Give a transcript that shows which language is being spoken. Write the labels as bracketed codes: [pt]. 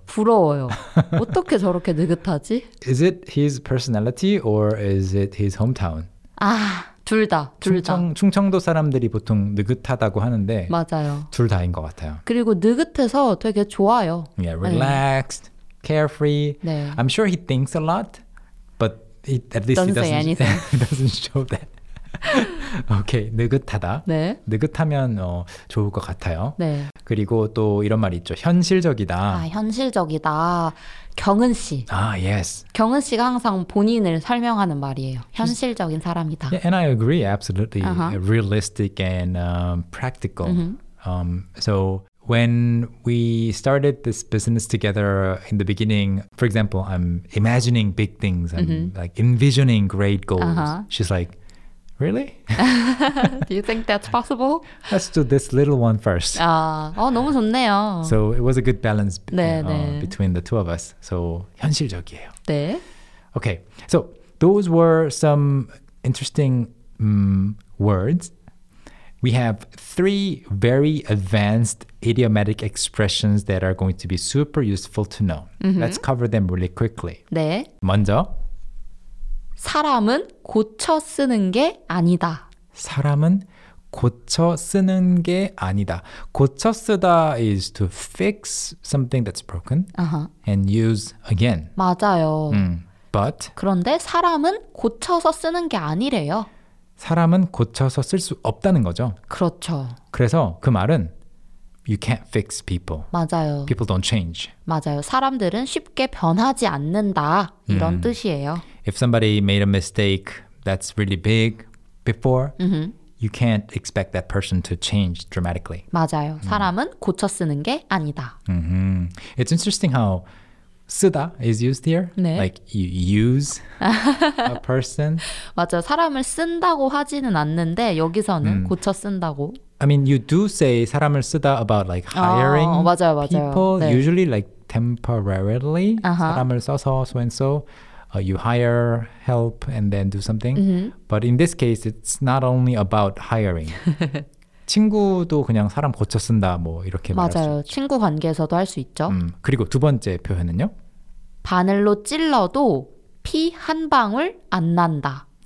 [ko] 부러워요. 어떻게 저렇게 느긋하지? [en] Is it his personality or is it his hometown? [ko] 아, 둘 다. 둘 충청, 다. 충청도 사람들이 보통 느긋하다고 하는데 맞아요. 둘 다인 것 같아요. 그리고 느긋해서 되게 좋아요. [en] Yeah, relaxed, 네. carefree. [ko] 네. [en] I'm sure he thinks a lot, but he doesn't show that. [ko] Okay, 느긋하다. 네. 느긋하면 좋을 것 같아요. 네. 그리고 또 이런 말이 있죠. 현실적이다. 아, 현실적이다. 경은 씨. 아, yes. 경은 씨가 항상 본인을 설명하는 말이에요. 현실적인 사람이다. [en] Yeah, and I agree, absolutely. Uh-huh. Realistic and practical. Uh-huh. So when we started this business together in the beginning, for example, I'm imagining big things. I'm uh-huh. like envisioning great goals. Uh-huh. She's like, really? Do you think that's possible? Let's do this little one first. [ko] 아, 너무 좋네요. [en] So it was a good balance [ko] 네, [en] between the two of us. So 현실적이에요. [ko] 네. [en] Okay. So those were some interesting words. We have three very advanced idiomatic expressions that are going to be super useful to know. Mm-hmm. Let's cover them really quickly. [ko] 네. 먼저 사람은 고쳐 쓰는 게 아니다. 사람은 고쳐 쓰는 게 아니다. [en] 고쳐 쓰다 is to fix something that's broken uh-huh. and use again. [ko] 맞아요. [en] But [ko] 그런데 사람은 고쳐서 쓰는 게 아니래요. 사람은 고쳐서 쓸 수 없다는 거죠. 그렇죠. 그래서 그 말은 [en] You can't fix people. [ko] 맞아요. [en] People don't change. [ko] 맞아요. 사람들은 쉽게 변하지 않는다. 이런 뜻이에요. [en] If somebody made a mistake that's really big before, mm-hmm. you can't expect that person to change dramatically. [ko] 맞아요. 사람은 고쳐 쓰는 게 아니다. [en] Mm-hmm. It's interesting how 쓰다 is used here. [ko] 네. [en] Like you use a person. [ko] 맞아요. 사람을 쓴다고 하지는 않는데 여기서는 고쳐 쓴다고. [en] I mean, you do say 사람을 쓰다 about like hiring [ko] 맞아요, 맞아요. [en] People, 네. usually like temporarily, uh-huh. [ko] 사람을 써서 [en] so and so, you hire help and then do something. Mm-hmm. But in this case, it's not only about hiring. [ko] 친구도 그냥 사람 고쳐 쓴다, 뭐 이렇게 맞아요. 말할 수 있죠. 친구 관계에서도 할 수 있죠. 그리고 두 번째 표현은요? 바늘로 찔러도 피 한 방울 안 난다.